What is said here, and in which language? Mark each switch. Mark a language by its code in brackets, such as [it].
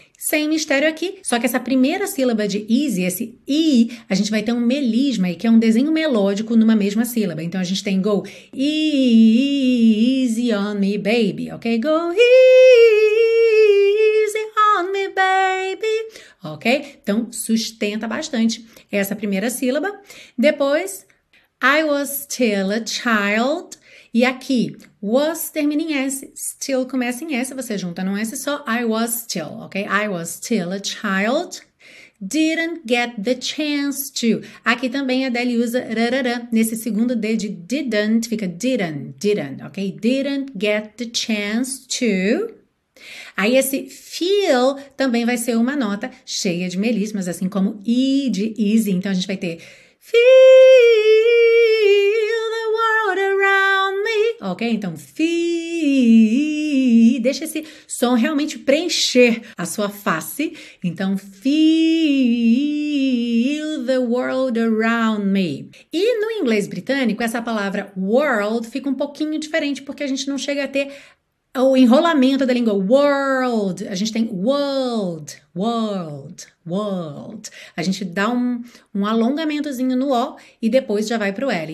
[pt] Sem mistério aqui, só que essa primeira sílaba de easy, esse i, a gente vai ter um melisma aí, que é um desenho melódico numa mesma sílaba. Então a gente tem [en] go easy on me, baby, ok? Go easy on me, baby, ok? [pt] Então sustenta bastante essa primeira sílaba. [en] Depois, I was still a child. [pt] E aqui, was termina em S, still começa em S, você junta num S só, [en] I was still, [pt] ok? [en] I was still a child, didn't get the chance to. [pt] Aqui também a Adele usa rarara, nesse segundo D de didn't, fica didn't, ok? [en] Didn't get the chance to. [pt] Aí esse feel também vai ser uma nota cheia de melismas, assim como E de easy, então a gente vai ter [en] feel the world around. [pt] Ok? Então, feel, deixa esse som realmente preencher a sua face. [en] Então, feel the world around me. [pt] E no inglês britânico, essa palavra world fica um pouquinho diferente, porque a gente não chega a ter o enrolamento da língua world. A gente tem world, world, world. A gente dá um alongamentozinho no O e depois já vai pro L.